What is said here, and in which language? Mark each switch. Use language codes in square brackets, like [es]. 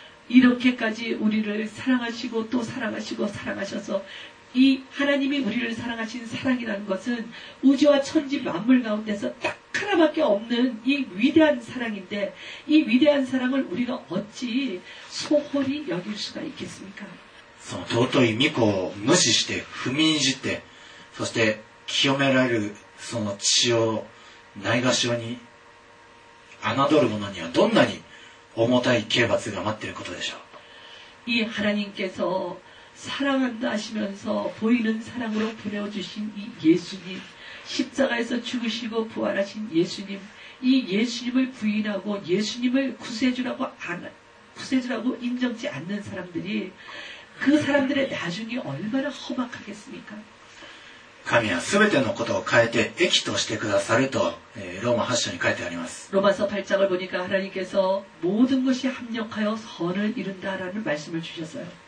[ko] 이렇게까지 우리를 사랑하시고 또 사랑하시고 사랑하셔서 이 하나님이 우리를 사랑하신 사랑이라는 것은 우주와 천지 만물 가운데서 딱 하나밖에 없는 이 위대한 사랑인데 이 위대한 사랑을 우리가 어찌 소홀히 여길 수가 있겠습니까? [ja] 尊い御子を無視して踏みにじってそして清められるその血をないがしろに侮るものにはどんなに重たい刑罰が待っていることでしょう? [ko] 이 하나님께서 사랑한다 하시면서 보이는 사랑으로 보내주신 이 예수님, 십자가에서 죽으시고 부활하신 예수님, 이 예수님을 부인하고 예수님을 구세주라고 인정지 않는 사람들이 그 사람들의 나중이 얼마나 험악하겠습니까? [ja] 神は 全てのことを変えて益としてくださると、ローマ8章に書いてあります。 [ko] 로마서 8장을 보니까 하나님께서 모든 것이 합력하여 선을 이룬다라는 말씀을 주셨어요.